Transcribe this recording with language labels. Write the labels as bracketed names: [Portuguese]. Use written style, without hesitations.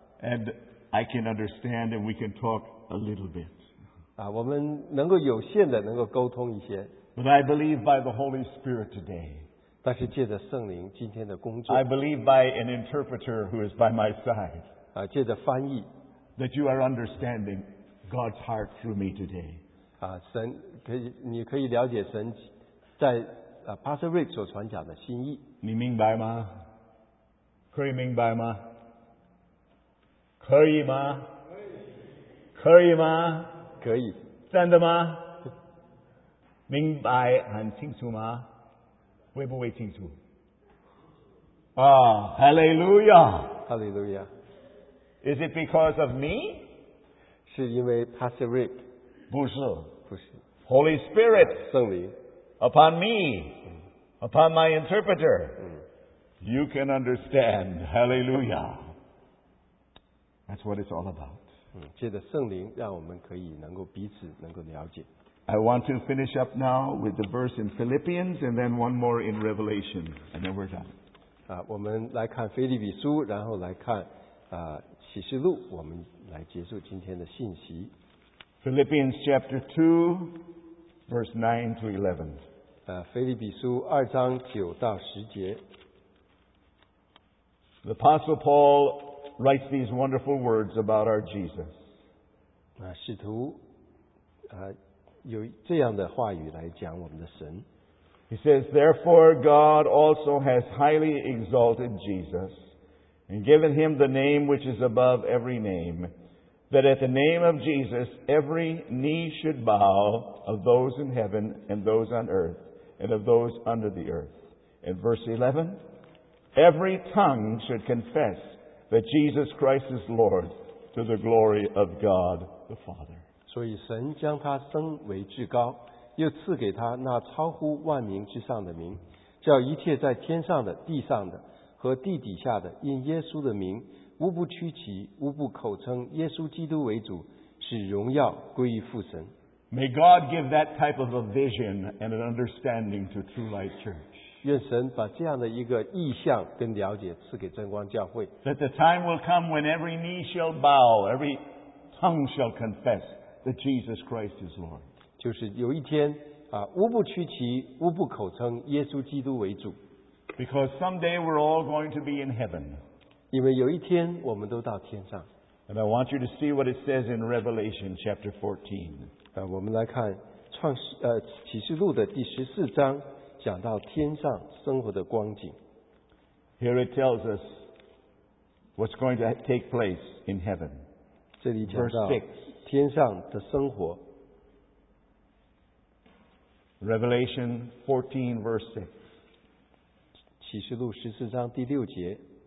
[English] And I can understand, and we can talk a little bit. [Chinese] 我们能够有限的能够沟通一些。 [English] But I believe by the Holy Spirit today. [Chinese] 但是借着圣灵今天的工作 [English] I believe by an interpreter who is by my side [Chinese] 借着翻译 [English] that you are understanding God's heart through me today [Chinese] 神可以你可以了解神在 Pastor Rick 所传讲的心意你明白吗可以明白吗可以吗可以吗可以真的吗明白很清楚吗会不会清楚 [English] Ah, hallelujah. Hallelujah. Is it because of me? [Chinese] 是因为 Pastor Rick? 不是。不是。 [English] Holy Spirit, [Chinese] 圣灵 [English] upon me, upon my interpreter. You can understand. Hallelujah. That's what it's all about. [Chinese] 借着圣灵让我们可以能够彼此能够了解。 [English] I want to finish up now with the verse in Philippians and then one more in Revelation. And then we're done. [Chinese] 我们来看腓立比书然后来看启示录我们来结束今天的信息。 [English] Philippians chapter 2, verse 9 to 11. [Chinese] 腓立比书二章九到十节。 [English] The Apostle Paul writes these wonderful words about our Jesus. [Chinese] 使徒有这样的话语来讲我们的神。 [English] He says, Therefore God also has highly exalted Jesus, and given him the name which is above every name, that at the name of Jesus every knee should bow of those in heaven and those on earth, and of those under the earth. And verse 11, every tongue should confess that Jesus Christ is Lord to the glory of God the Father. [Chinese] 所以神将他升为至高又赐给他那超乎万民之上的名叫一切在天上的地上的和地底下的因耶稣的名无不屈膝无不口称耶稣基督为主使荣耀归于父神。 [English] May God give that type of a vision and an understanding to True Light Church. [Chinese] 愿神把这样的一个意象跟了解赐给真光教会。 [English] That the time will come when every knee shall bow, every tongue shall confess that Jesus Christ is Lord. [Chinese] 就是有一天无不屈膝无不口称耶稣基督为主。 [English] Because someday we're all going to be in heaven. [Chinese] 因为有一天我们都到天上。 [English] And I want you to see what it says in Revelation chapter 14. [Chinese] 我们来看启示录的第十四章讲到天上生活的光景。 [English] Here it tells us what's going to take place in heaven. [Chinese] 这里讲到天上的生活。 [English] Revelation 14 verse 6. [Chinese] 启示录十四章第六节。